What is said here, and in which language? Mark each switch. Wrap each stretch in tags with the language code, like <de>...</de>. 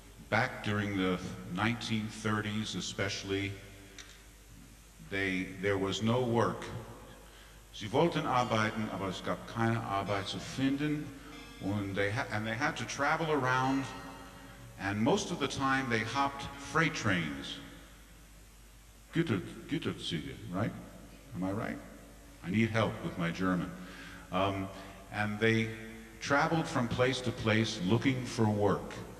<en>Back during the 1930s especially, there was no work.</en> <de>Sie wollten arbeiten, aber es gab keine Arbeit zu finden.</de> <en>And they had to travel around, and most of the time they hopped freight trains. Güterzüge, right? Am I right? I need help with my German. And they traveled from place to place looking for work.</en>